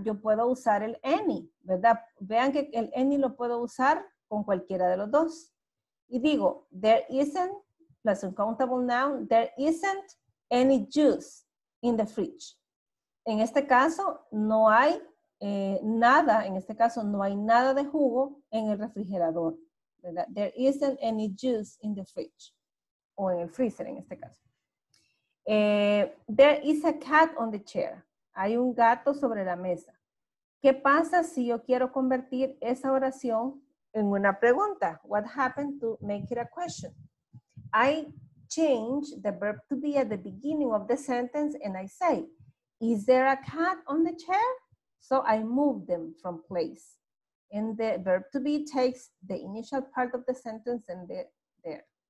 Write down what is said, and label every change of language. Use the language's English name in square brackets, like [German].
[Spanish] Yo puedo usar el any, ¿verdad? Vean que el any lo puedo usar con cualquiera de los dos. Y digo, [English] there isn't, plus uncountable noun, there isn't any juice in the fridge. [Spanish] En este caso, no hay nada, en este caso, no hay nada de jugo en el refrigerador, ¿verdad? [English] There isn't any juice in the fridge. [Spanish] O en el freezer, en este caso. [English] There is a cat on the chair. [Spanish] Hay un gato sobre la mesa. ¿Qué pasa si yo quiero convertir esa oración en una pregunta? [English] What happened to make it a question? I change the verb to be at the beginning of the sentence and I say, is there a cat on the chair? So I move them from place. And the verb to be takes the initial part of the sentence and there.